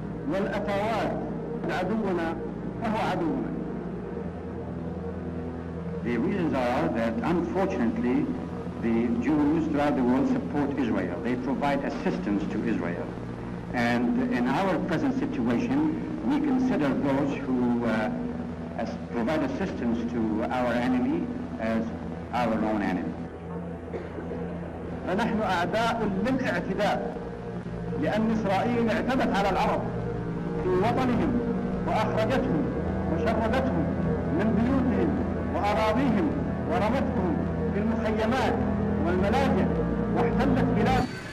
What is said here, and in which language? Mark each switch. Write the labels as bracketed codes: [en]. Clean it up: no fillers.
[ar] والأثوات عدونا فهو عدونا. [en] The reasons are that unfortunately the Jews throughout the world support Israel. They provide assistance to Israel. And in our present situation, we consider those who provide assistance to our enemy as our own enemy. [ar] فنحن أعداء للاعتداء لأن إسرائيل اعتدت على العرب. في وطنهم وأخرجتهم وشردتهم من بيوتهم وأراضيهم ورمتهم في المخيمات والملاجئ واحتلت بلاد.